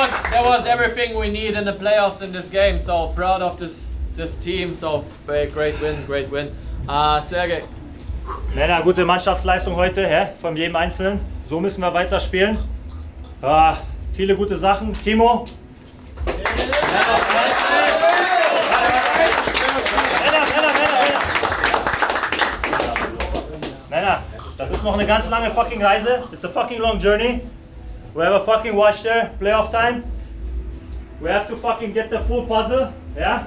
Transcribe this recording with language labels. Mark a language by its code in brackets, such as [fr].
[en] That was everything we need in the playoffs in this game, so proud of this team, so great win. Sergej. [de] Na, gute Mannschaftsleistung heute, ja, von jedem Einzelnen. So müssen wir weiterspielen. Viele gute Sachen. Timo. Na, das ist noch eine ganz lange fucking Reise. [en] It's a fucking long journey. We have a fucking watch there, playoff time. We have to fucking get the full puzzle, ja?